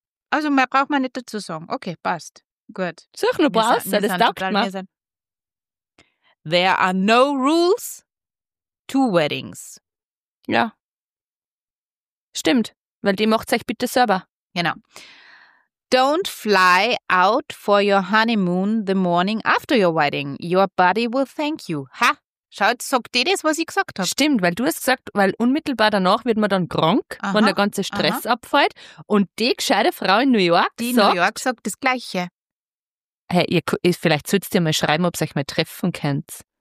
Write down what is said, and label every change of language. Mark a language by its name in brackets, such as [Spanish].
[German] Also mehr braucht man nicht dazu sagen. Okay, passt. Gut. Such nur ein paar das taugt mir. [English] There are no rules to weddings. [German] Ja. Stimmt, weil die macht es euch bitte selber. Genau. [English] Don't fly out for your honeymoon the morning after your wedding. Your body will thank you. [German] Ha, schaut, sagt dir das, was ich gesagt habe. Stimmt, weil du hast gesagt, weil unmittelbar danach wird man dann krank, aha, wenn der ganze Stress aha abfällt. Und die gescheite Frau in New York die sagt... Die New York sagt das Gleiche. Hey, ihr, vielleicht solltet ihr mal schreiben, ob ihr euch mal treffen könnt.